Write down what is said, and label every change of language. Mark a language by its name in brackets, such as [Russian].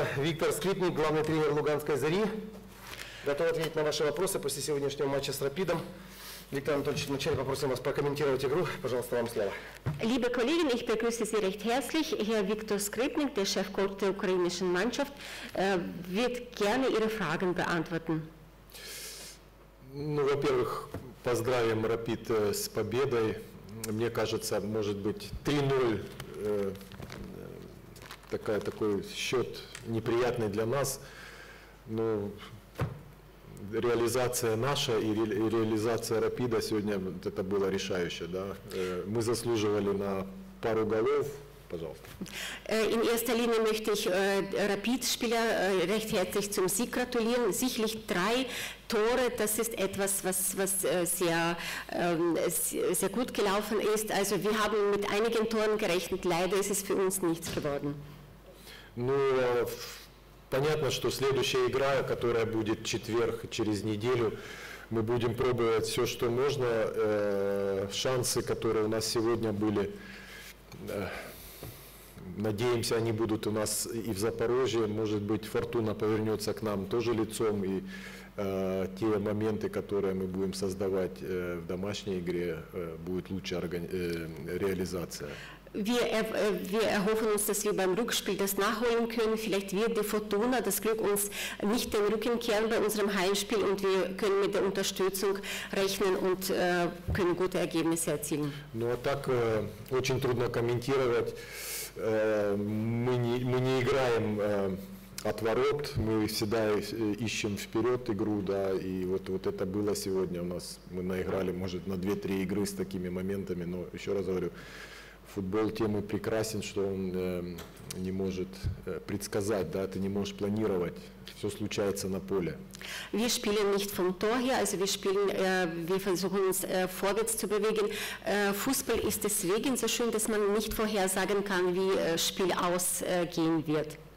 [Russian] Виктор Скрипник, главный тренер Луганской «Зари». Готов ответить на ваши вопросы после сегодняшнего матча с «Рапидом». Виктор Анатольевич, вначале попросим вас прокомментировать игру. Пожалуйста, вам слово. [German] Liebe Kolleginnen, ich begrüße Sie recht herzlich. Herr Viktor Skripnik, der Chefcoach der ukrainischen Mannschaft, wird gerne Ihre Fragen beantworten. [Russian] Ну, во-первых, поздравим «Рапид» с победой. Мне кажется, может быть, 3-0 такой счет неприятный для нас. Но реализация наша и реализация «Рапида» сегодня это было решающее. Да? Мы заслуживали на пару голов. [German] In erster Linie möchte ich Rapid-Spieler recht herzlich zum Sieg gratulieren. Sicherlich 3 Tore, das ist etwas, was sehr gut gelaufen ist. Also wir haben mit einigen Toren gerechnet, leider ist es für uns nichts geworden. [Russian] Nur, понятно, что следующая игра, которая будет четверг через неделю, мы будем пробовать все, что можно. Шансы, которые у нас сегодня были, надеемся, они будут у нас и в Запорожье. Может быть, фортуна повернется к нам тоже лицом. И те моменты, которые мы будем создавать в домашней игре, будет лучше реализация. [German] Wir erhoffen uns, dass wir beim Rückspiel das nachholen können. Vielleicht wird die Fortuna das Glück uns nicht den Rücken kehren bei unserem Heimspiel und wir können mit der Unterstützung rechnen und können gute Ergebnisse erzielen. [Russian] Ну, так очень трудно комментировать. Мы не играем от ворот, мы всегда ищем вперед игру, да, и вот это было сегодня у нас. Мы наиграли, может, на 2-3 игры с такими моментами, но еще раз говорю, футбол тем и прекрасен, что он не может предсказать, да, ты не можешь планировать, все случается на поле. [German] Wir spielen nicht vom Tor her, also wir spielen, wir versuchen uns vorwärts zu bewegen. Fußball ist deswegen so schön, dass man nicht vorhersagen kann, wie Spiel ausgehen wird.